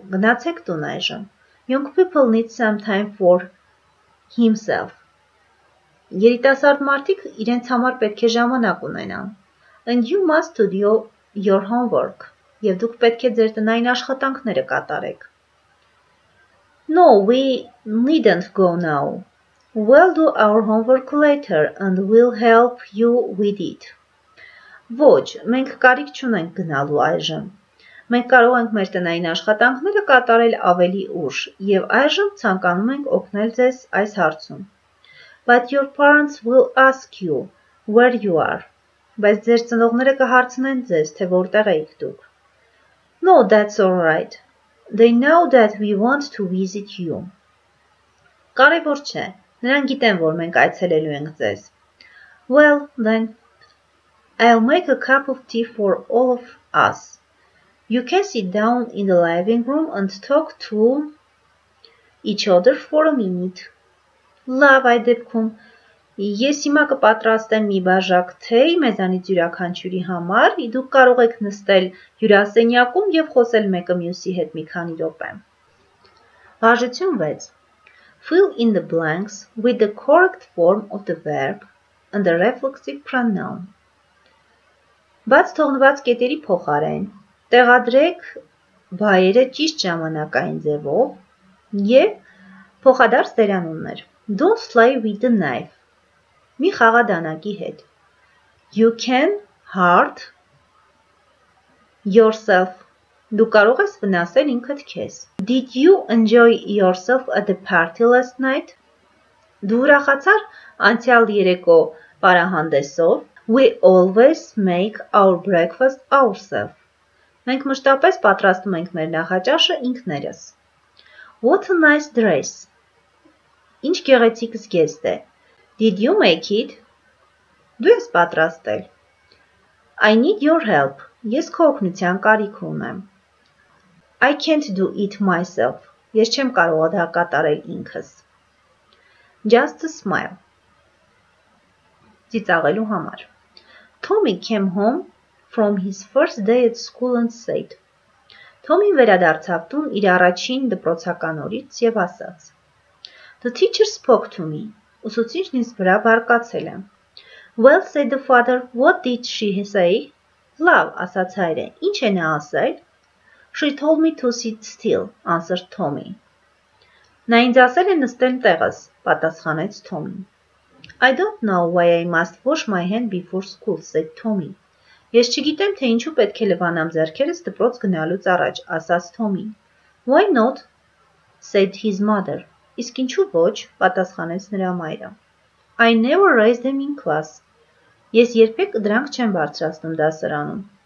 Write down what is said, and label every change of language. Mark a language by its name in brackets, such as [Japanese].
[Armenian] Գնացեք տուն այժմ. [English] Young people need some time for himself. [Armenian] Երիտասարդ մարդիկ իրենց համար պետք է ժամանակ ունենան. [English] And you must do your homework. [Armenian] Եվ դուք պետք է ձեր տնային աշխատանքները կատարեք. [English] No, we needn't go now. We'll do our homework later and we'll help you with it. [Armenian] Ոչ, մենք կարիք չունենք գնալու այժմ. Մենք կարող ենք մեր տնային աշխատանքները կատարել ավելի ուշ, եւ այժմ ցանկանում ենք օգնել ձեզ այս հարցում։ [English] But your parents will ask you where you are. [Armenian] Բայց ձեր ծնողները կհարցնեն ձեզ, թե որտեղ եք դուք։ [English] No, that's all right. They know that we want to visit you. [Armenian] Կարևոր չէ, նրանք գիտեն, որ մենք այցելելու ենք ձեզ։ [English] Well, then I'll make a cup of tea for all of us. You can sit down in the living room and talk to each other for a minute. [Armenian] Լավ, այդ դեպքում ես հիմա կպատրաստեմ մի բաժակ թեյ մեզանից յուրաքանչյուրի համար, ի դուք կարող եք նստել հյուրասենյակում եւ խոսել մեկը մյուսի հետ մի քանի րոպե։ Բաժություն 6. [English] Fill in the blanks with the correct form of the verb and the reflexive pronoun. [Armenian] Բաց թողնված կետերի փոխարեն տեղադրեք բայերը ճիշտ ժամանակային ձևով եւ փոխադարձ դերանուններ։ [English] Don't play with the knife. [Armenian] Մի խաղադանակի հետ։ [English] You can hurt yourself. [Armenian] Դու կարող ես վնասել ինքդ քեզ. [English] Did you enjoy yourself at the party last night? [Armenian] Դու ուրախացար անցյալ երեկո պարահանդեսով. [English] We always make our breakfast ourselves. [Armenian] Մենք մշտապես պատրաստում ենք մեր նախաճաշը ինքներս. [English] What a nice dress. [Armenian] Ինչ գեղեցիկ զգեստ է. [English] Did you make it? [Armenian] Դու ես պատրաստել. [English] I need your help. [Armenian] Ես քո օգնության կարիք ունեմ. [English] I can't do it myself. [Armenian] Ես չեմ կարող դա կատարել ինքս. [English] Just a smile. [Armenian] Ծիծաղելու համար. [English] Tommy came home from his first day at school and said. [Armenian] Tommy-ն վերադարձավ տուն իր առաջին դպրոցական օրից եւ ասաց. [English] The teacher spoke to me. [Armenian] Ուսուցիչն ինձ վրա բարկացել է. [English] Well, said the father, what did she say? [Armenian] Լավ, ասաց հայրը, ինչ է նա ասել? [English] She told me to sit still, answered Tommy. [Armenian] Նա ինձ ասել է նստեմ տեղս, պատասխանեց Tommy. [English] I don't know why I must wash my hand before school, said Tommy. [Armenian] Ես չգիտեմ, թե ինչու պետք է լվանամ ձեռքերս դպրոց գնալուց առաջ, ասաց Tommy. [English] Why not? Said his mother. [Armenian] Իսկ ինչու ոչ, պատասխանեց նրա մայրը. [English] I never raised them in class. [Armenian] Ես երբեք դրանք չեմ բարձրացնում դասարանում.